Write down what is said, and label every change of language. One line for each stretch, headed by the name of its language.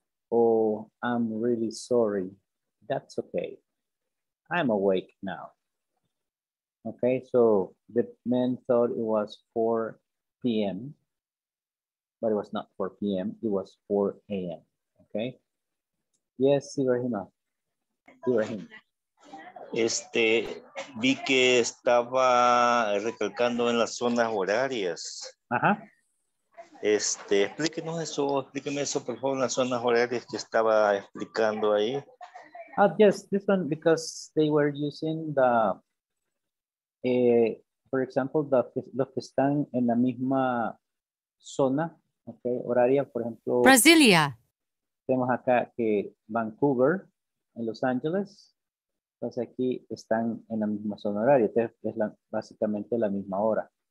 English: Oh, I'm really sorry. That's okay. I'm awake now. Okay, so the man thought it was 4 p.m., but it was not 4 p.m., it was 4 a.m., okay? Yes, Ibrahima. Ibrahim.
Spanish: Vi que estaba recalcando en las zonas horarias. Ajá. Explíquenos eso, explíqueme eso, por favor, en las zonas horarias que estaba explicando ahí.
English: Yes, this one, because they were using the...
Spanish: for example, los que están en la misma zona, okay, horaria, por ejemplo, Brasilia. Tenemos acá que Vancouver, en Los Ángeles, entonces aquí están en la misma zona horaria, es la, básicamente la misma hora.